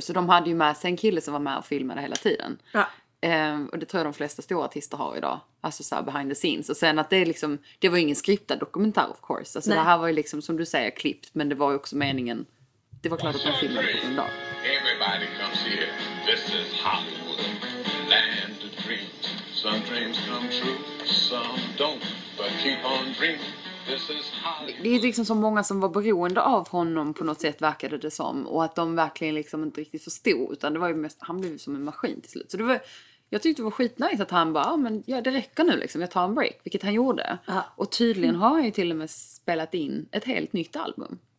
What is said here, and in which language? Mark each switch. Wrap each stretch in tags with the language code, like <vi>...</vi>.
<sv>Så de hade ju med sig en kille som var med och filmade hela tiden. Ja. Och det tror jag de flesta stora artister har idag. Alltså så här</sv> <en>behind the scenes.</en> <sv>Och sen att det är liksom, det var ju ingen skriptad dokumentär</sv> <en>of course.</en> <sv>Alltså Nej. Det här var ju liksom som du säger klippt, men det var ju också meningen. Det var klart att de filmade på en dag.</sv> <en>Everybody comes here. This is Hollywood. Land of dreams. Some dreams come true, some don't. But keep on dreaming.</en> <sv>Det är liksom så många som var beroende av honom på något sätt, verkade det som. Och att de verkligen liksom inte riktigt förstod. Utan det var ju mest, han blev ju som en maskin till slut. Så det var, jag tyckte det var skitnice att han bara, ah, men ja, det räcker nu liksom, jag tar en break. Vilket han gjorde. Aha. Och tydligen har han ju till och med spelat in ett helt nytt album.</sv>